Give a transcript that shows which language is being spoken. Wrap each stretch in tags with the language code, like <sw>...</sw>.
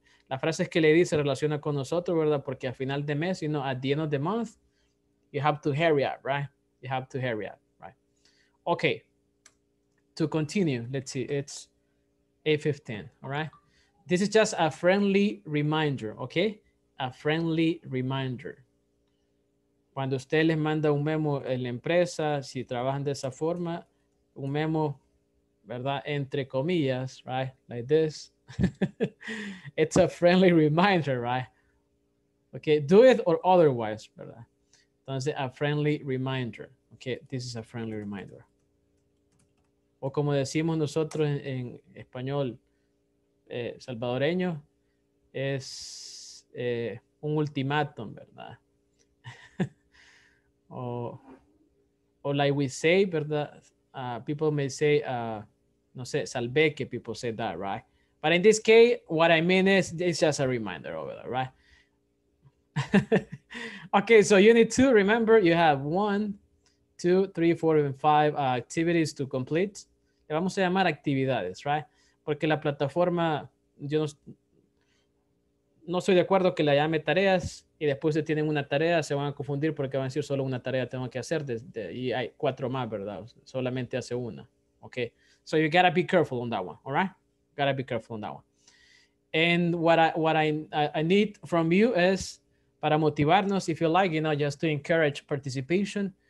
<es>La frase que le di se relaciona con nosotros, ¿verdad? Porque a final de mes,</es> <en>you know, at the end of the month, you have to hurry up, right? You have to hurry up, right? Okay. To continue, let's see. It's 8:15, all right? This is just a friendly reminder, okay? a friendly reminder.</en> <es>Cuando usted les manda un memo en la empresa, si trabajan de esa forma, un memo, ¿verdad? Entre comillas,</es> <en>right? Like this. It's a friendly reminder, right? Okay, do it or otherwise, ¿verdad? Entonces, a friendly reminder. Okay, this is a friendly reminder.</en> <es>O como decimos nosotros en español salvadoreño, es un ultimátum, ¿verdad?</es> <en>O like we say, ¿verdad? People may say, no sé, salveque, people say that, right? But in this case, what I mean is, it's just a reminder over there, right? Okay, so you need to remember, you have 1, 2, 3, 4, and 5 activities to complete.</en> <es>Le vamos a llamar actividades, right? Porque la plataforma, yo no soy de acuerdo que la llame tareas y después si tienen una tarea, se van a confundir porque van a decir solo una tarea tengo que hacer y hay cuatro más, ¿verdad? Solamente hace una, okay?</es> <en>So you gotta be careful on that one, all right? Gotta be careful on that one. And what I need from you is,</en> <es>para motivarnos,</es> <en>if you like, you know, just to encourage participation.</en>